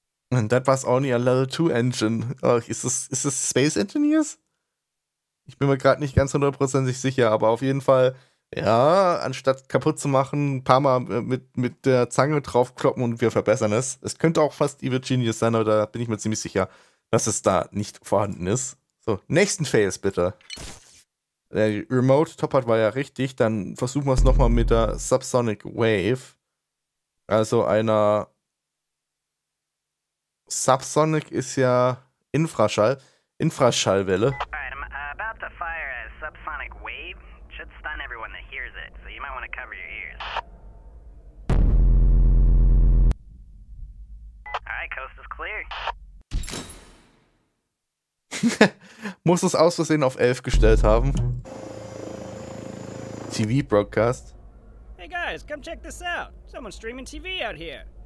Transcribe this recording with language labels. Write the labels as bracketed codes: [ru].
[en] And that was only a level 2 engine. [de] Oh, ist das Space Engineers? Ich bin mir gerade nicht ganz hundertprozentig sicher, aber auf jeden Fall, ja, anstatt kaputt zu machen, ein paar Mal mit der Zange draufkloppen und wir verbessern es. Es könnte auch fast Evil Genius sein, aber da bin ich mir ziemlich sicher, dass es da nicht vorhanden ist. So, nächsten Phase bitte. Der Remote Top Hat war ja richtig, dann versuchen wir es nochmal mit der Subsonic Wave. Also einer... Subsonic ist ja Infraschallwelle. [en] Alright, I'm about to fire a subsonic wave. Should stun everyone that hears it, so you might want to cover your ears. Alright, coast is clear. [de] Muss es aus Versehen auf 11 gestellt haben. TV-Broadcast. [en] Hey guys, come check this out. Someone's streaming TV out here.